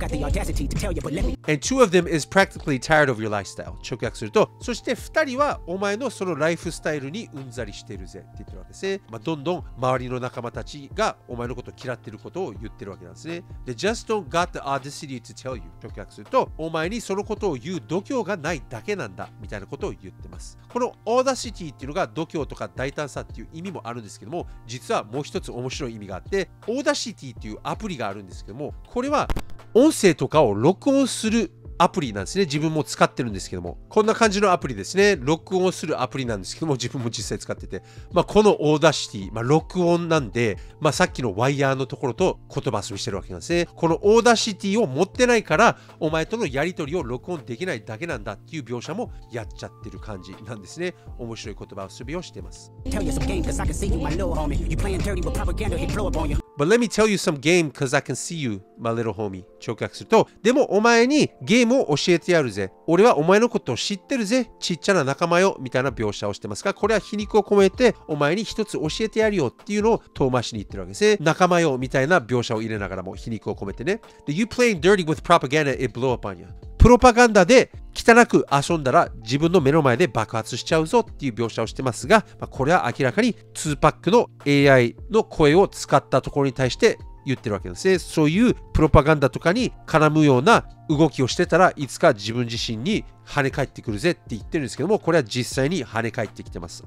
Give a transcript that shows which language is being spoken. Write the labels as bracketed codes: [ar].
[en] And two of them is practically tired of your lifestyle. [ja] 直訳すると、そして二人はお前のそのライフスタイルにうんざりしてるぜって言ってるわけですね。まあ、どんどん周りの仲間たちがお前のことを嫌ってることを言ってるわけなんですね。 [en] They just don't got the audacity to tell you. [ja] 直訳すると、お前にそのことを言う度胸がないだけなんだみたいなことを言ってます。この audacity っていうのが度胸とか大胆さっていう意味もあるんですけども、実はもう一つ面白い意味があって、audacityっていうアプリがあるんですけども、これは音声とかを録音するアプリなんですね。自分も使ってるんですけども、こんな感じのアプリですね。録音するアプリなんですけども、自分も実際使ってて、まあ、このオーダーシティ、まあ、録音なんで、まあ、さっきのワイヤーのところと言葉遊びしてるわけなんですね。このオーダーシティを持ってないからお前とのやり取りを録音できないだけなんだっていう描写もやっちゃってる感じなんですね。面白い言葉遊びをしてます。 [en] But let me tell you some game because I can see you, my little homie. [ja] 直訳すると、でもお前にゲームを教えてやるぜ。俺はお前のことを知ってるぜ。ちっちゃな仲間よ。みたいな描写をしてますが、これは皮肉を込めて、お前に一つ教えてやるよっていうのを遠回しに言ってるわけですね。仲間よ。みたいな描写を入れながらも皮肉を込めてね。 [en] The you playing dirty with propaganda, it blow up on you. [ja] プロパガンダで汚く遊んだら自分の目の前で爆発しちゃうぞっていう描写をしてますが、まあ、これは明らかに2パックの AI の声を使ったところに対して言ってるわけですね。そういうプロパガンダとかに絡むような動きをしてたらいつか自分自身に跳ね返ってくるぜって言ってるんですけども、これは実際に跳ね返ってきてます。